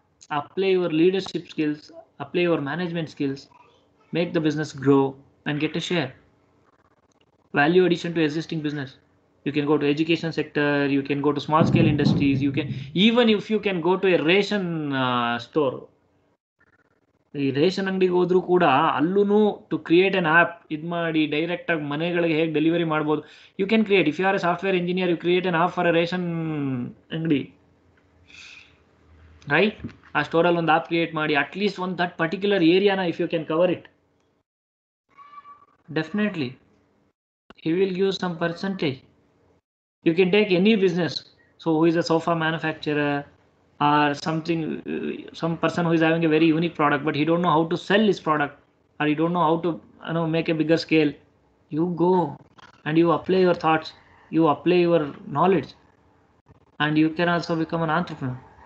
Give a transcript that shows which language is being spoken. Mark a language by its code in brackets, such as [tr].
[en] apply your leadership skills, apply your management skills, make the business grow and get a share. Value addition to existing business. You can go to education sector, you can go to small scale industries, you can, even if you can go to a ration store. [kn] ಈ ration ಅಂಗಡಿಗೆ ಹೋದ್ರೂ ಕೂಡ ಅಲ್ಲೂ [en] to create an app [kn] ಇದು ಮಾಡಿ ಡೈರೆಕ್ಟಾಗಿ ಮನೆಗಳಿಗೆ ಹೇಗೆ ಡೆಲಿವರಿ ಮಾಡ್ಬೋದು. [en] You can create, if you are a software engineer, you create an app for a ration ಅಂಗಡಿ, right? [kn] ಆ ಸ್ಟೋರಲ್ಲಿ ಒಂದು ಆ್ಯಪ್ ಕ್ರಿಯೇಟ್ ಮಾಡಿ, [en] At least ಒಂದು that particular ಏರಿಯಾನ if you can cover it, definitely he will give some percentage. You can take any business. So who is a sofa manufacturer or something, some person who is having a very unique product but he don't know how to sell his product, or he don't know how to, you know, make a bigger scale. You go and you apply your thoughts, you apply your knowledge, and you can also become an entrepreneur.